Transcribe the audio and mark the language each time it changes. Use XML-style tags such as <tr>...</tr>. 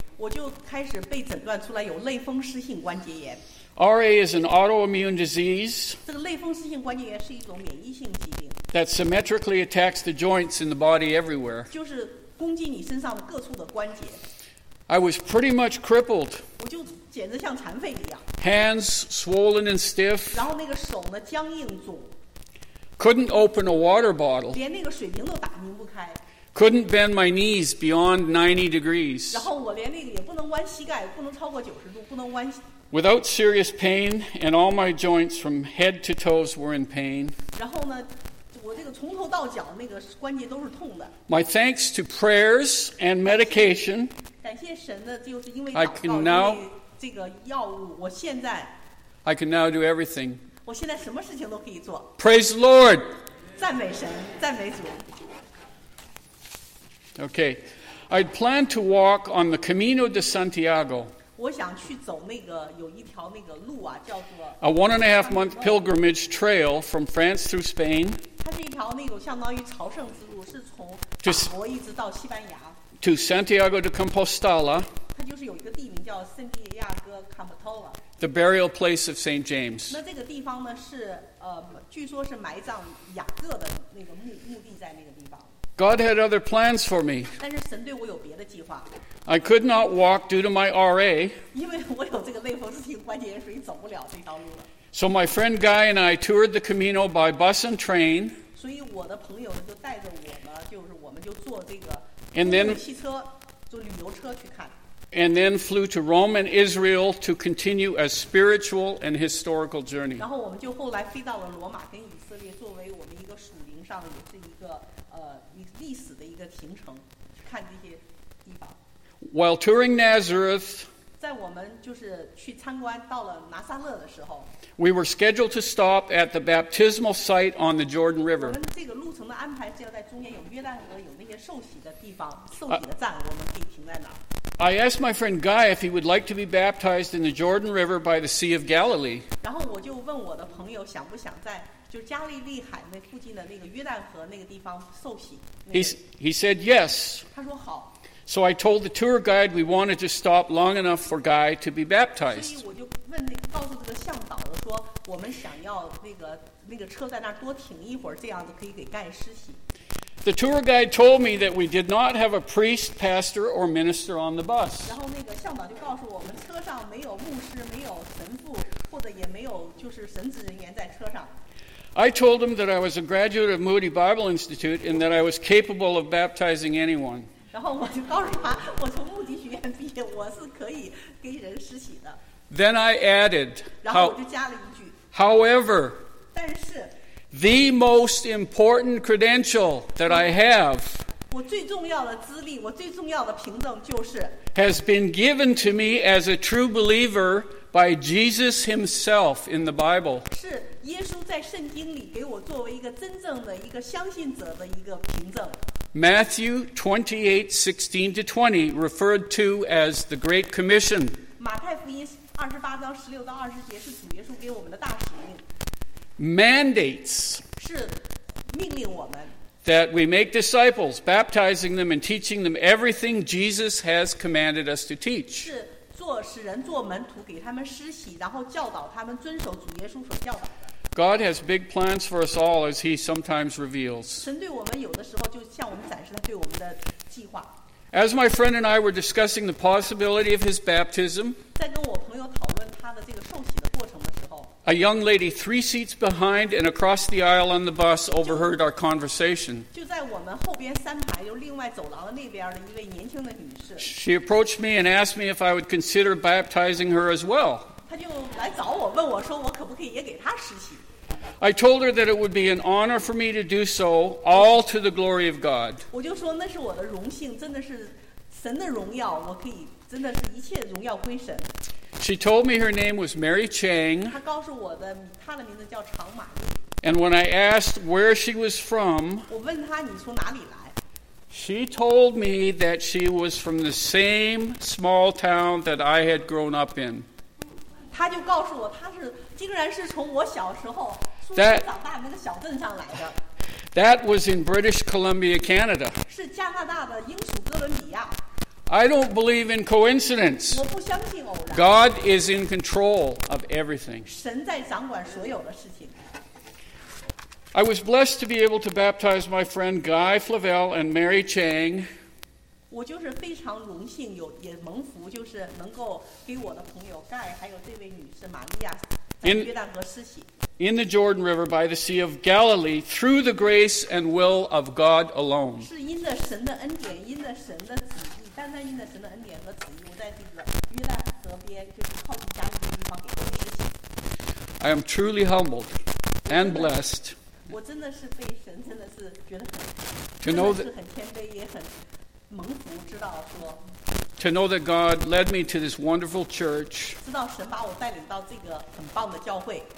<zh>我就开始被诊断出来有类风湿性关节炎。</zh> <en>RA is an autoimmune disease.</en> <zh>这个类风湿性关节炎是一种免疫性疾病。</zh> <en>That symmetrically attacks the joints in the body everywhere.</en> <zh>就是攻击你身上各处的关节。</zh> <en>I was pretty much crippled.</en> <zh>我就简直像残废一样。</zh> <en>Hands swollen and stiff.</en> <zh>然后那个手呢僵硬肿。</zh> <en>Couldn't open a water bottle.</en> <zh>连那个水瓶都打拧不开。</zh> <en>Couldn't bend my knees beyond 90 degrees.</en> <zh>然后我连那个也不能弯膝盖，不能超过九十度，不能弯。</zh> <en>Without serious pain, and all my joints from head to toes were in pain.</en> <zh>然后呢，我这个从头到脚那个关节都是痛的。</zh> <en>My thanks to prayers and medication.</en> <zh>感谢神的，就是因为祷告这个药物，我现在。</zh> <en>I can now do everything.</en> <zh>我现在什么事情都可以做。</zh> <en>Praise the Lord.</en> <zh>赞美神，赞美主。</zh> <en>Okay, I'd planned to walk on the Camino de Santiago.</en> <zh>我想去走那个有一条那个路啊，叫做</zh> <en>a 1.5 month pilgrimage trail from France through Spain.</en> <zh>它是一条那种相当于朝圣之路，是从法国一直到西班牙。</zh> <en>To Santiago de Compostela.</en> <zh>它就是有一个地名叫圣地亚哥坎普托瓦。</zh> <en>The burial place of Saint James.</en> <zh>那这个地方呢是据说是埋葬雅各的那个墓地在那个地方。</zh> <en>God had other plans for me.</en> <zh>但是神对我有别的计划。</zh> <en>I could not walk due to my RA.</en> <zh>因为我有这个类风湿性关节炎，所以走不了这条路了。</zh> <en>So my friend Guy and I toured the Camino by bus and train.</en> <zh>所以我的朋友就带着我呢，就是我们就坐这个公共汽车，坐旅游车去看。</zh> <en>And then flew to Rome and Israel to continue a spiritual and historical journey.</en> <zh>然后我们就后来飞到了罗马跟以色列，作为我们一个属灵上的也是一个。历史的一个行程，去看这些地方。</zh> <en>While touring Nazareth,</en> <zh>在我们就是去参观到了拿撒勒的时候</zh> <en>，we were scheduled to stop at the baptismal site on the Jordan River.</en> <zh>我们这个路程的安排是要在中间有约旦河有那些受洗的地方，受洗的站，我们可以停在哪？</zh> <en>I asked my friend Guy if he would like to be baptized in the Jordan River by the Sea of Galilee.</en> <zh>然后我就问我的朋友想不想在。就加利利海那附近的那个约旦河那个地方受洗。</zh> <en>He said yes.</en> <zh>他说好。</zh> <en>So I told the tour guide we wanted to stop long enough for Guy to be baptized.</en> <zh>所以我就问那告诉这个向导的说，我们想要那个车在那儿多停一会儿，这样子可以给盖施洗。</zh> <en>The tour guide told me that we did not have a priest, pastor, or minister on the bus.</en> <zh>然后那个向导就告诉我们，车上没有牧师，没有神父，或者也没有就是神职人员在车上。</zh> <en>I told him that I was a graduate of Moody Bible Institute and that I was capable of baptizing anyone.</en> <zh>然后我就告诉他，我从穆迪学院毕业，我是可以给人施洗的。</zh> <en>Then I added,</en> <zh>然后我就加了一句。</zh> <en>However,</en> <zh>但是</zh> <en>the most important credential that I have,</en> <zh>我最重要的资历，我最重要的凭证就是</zh> <en>has been given to me as a true believer by Jesus Himself in the Bible.</en> <zh>是。耶稣在圣经里给我作为一个真正的一个相信者的一个凭证。</zh> <en>Matthew 28:16-20 referred to as the Great Commission.</en> <zh>马太福音28:16-20是主耶稣给我们的大使命。</zh> <en>Mandates</en> <zh>是命令我们。</zh> <en>That we make disciples, baptizing them and teaching them everything Jesus has commanded us to teach.</en> <zh>是做使人做门徒，给他们施洗，然后教导他们遵守主耶稣所教导的。</zh> <en>God has big plans for us all, as He sometimes reveals.</en> <zh>神对我们有的时候就向我们展示他对我们的计划。</zh> <en>As my friend and I were discussing the possibility of his baptism,</en> <zh>在跟我朋友讨论他的这个受洗的过程的时候</zh> <en>，a young lady 3 seats behind and across the aisle on the bus overheard our conversation.</en> <zh>就在我们后边三排，就另外走廊的那边的一位年轻的女士。</zh> <en>She approached me and asked me if I would consider baptizing her as well.</en> <zh>他就来找我，问我说，我可不可以也给他施洗。</zh> <en>I told her that it would be an honor for me to do so, all to the glory of God.</en> <zh>我就说那是我的荣幸，真的是神的荣耀，我可以真的是一切荣耀归神。</zh> <en>She told me her name was Mary Chang.</en> <zh>她告诉我的，她的名字叫常玛丽。</zh> <en>And when I asked where she was from,</en> <zh>我问她你从哪里来。</zh> <en>She told me that she was from the same small town that I had grown up in.</en> <zh>她就告诉我她是。竟然是从我小时候出生长大的那个小镇上来的。</zh> <en>That was in British Columbia, Canada.</en> <zh>是加拿大的英属哥伦比亚。</zh> <en>I don't believe in coincidence.</en> <zh>我不相信偶然。</zh> <en>God is in control of everything.</en> <zh>神在掌管所有的事情。</zh> <en>I was blessed to be able to baptize my friend Guy Flavel and Mary Chang.</en> <zh>我就是非常荣幸有也蒙福，就是能够给我的朋友 Guy 还有这位女士玛利亚。</zh> <en>In, in the Jordan River by the Sea of Galilee through the grace and will of God alone.</en> <zh>是因着神的恩典，因着神的旨意，单单因着神的恩典和旨意，我在这个约旦河边，就是靠近加利利的地方给他施洗。</zh> <en>I am truly humbled and blessed.</en> <zh>我真的是被神真的是觉得很</zh> <en>to know that</en> <zh>很谦卑也很蒙福，知道说。</zh> <en>To know that God led me to this wonderful church.</en> <zh>知道神把我带领到这个很棒的教会。</zh>